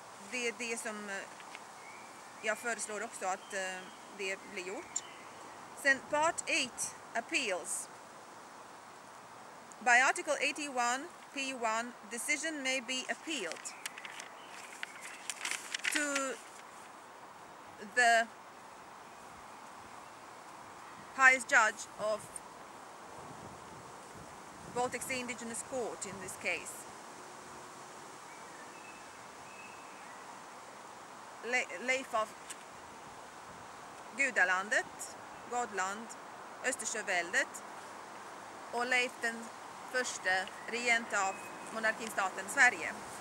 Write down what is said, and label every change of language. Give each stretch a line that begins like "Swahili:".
Swedish: Det är det som jag föreslår också att det blir gjort. Sen
English: part 8, appeals. By article 81 P1, decision may be appealed to the highest judge of Baltic Sea Indigenous Court in this case.
Swedish: Leif av Gudalandet, Gotland, Östersjöväldet och Leif den första regent av monarkinstaten Sverige.